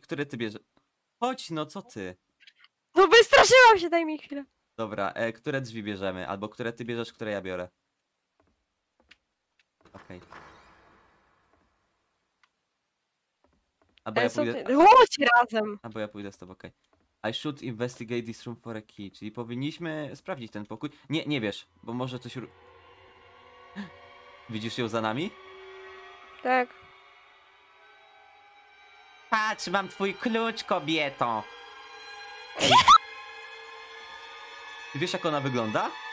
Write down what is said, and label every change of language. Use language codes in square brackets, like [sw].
[pl] Które ty bierzesz? Chodź, no co ty? No wystraszyłam się, daj mi chwilę. Dobra, które drzwi bierzemy? Albo które ty bierzesz, które ja biorę? Okej. Okay. Albo ja pójdę... Chodź razem! Albo ja pójdę z tobą, okej. [en] Okay. I should investigate this room for a key. [pl] Czyli powinniśmy sprawdzić ten pokój. Nie, nie wiesz, bo może coś... Widzisz ją za nami? Tak. Patrz, mam twój klucz, kobieto! Wiesz, jak ona wygląda?